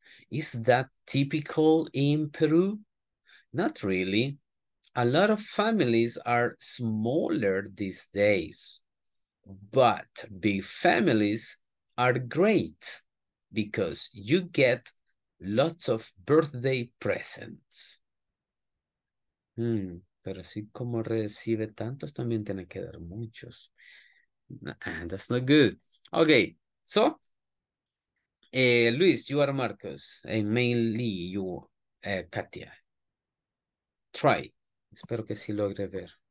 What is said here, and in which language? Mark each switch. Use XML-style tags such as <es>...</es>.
<en>Is that typical in Peru? Not really. A lot of families are smaller these days. But big families are great because you get lots of birthday presents.</en> <es>Pero así como recibe tantos, también tiene que dar muchos.</es> <en>Nah, that's not good. Okay, so, Luis, you are Marcos, and mainly you, Katia.</en> <es>Try. Espero que sí logre ver.</es>